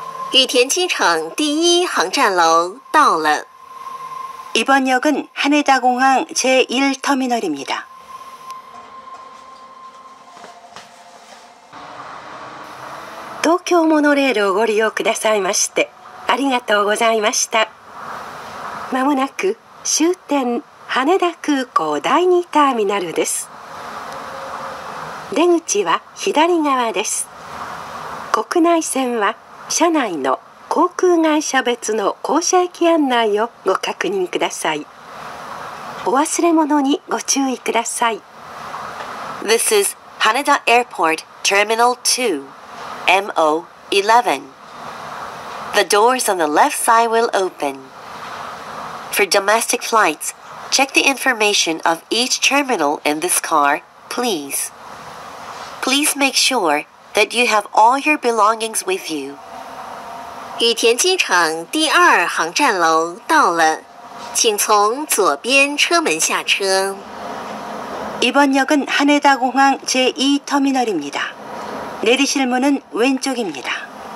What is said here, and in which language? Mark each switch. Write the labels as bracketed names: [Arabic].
[Chinese] 羽田机场第一航站楼到了。 [Korean] 이번역은하네다공항제1터미널입니다 [Japanese] 東京モノレールをご利用くださいましてありがとうございました。まもなく終点羽田空港第2ターミナルです。出口は左側です。国内線は車内の航空会社別の降車駅案内をご確認ください。お忘れ物にご注意ください。 [English] This is Haneda Airport Terminal 2 MO11. The doors on the left side will open. For domestic flights, check the information of each terminal in this car, please. Please make sure that you have all your belongings with you. [Chinese] 羽田机场第二航站楼到了，请从左边车门下车。 [Korean] 이번역은 하네다 공항 제2 터미널입니다. 내리실 문은 왼쪽입니다.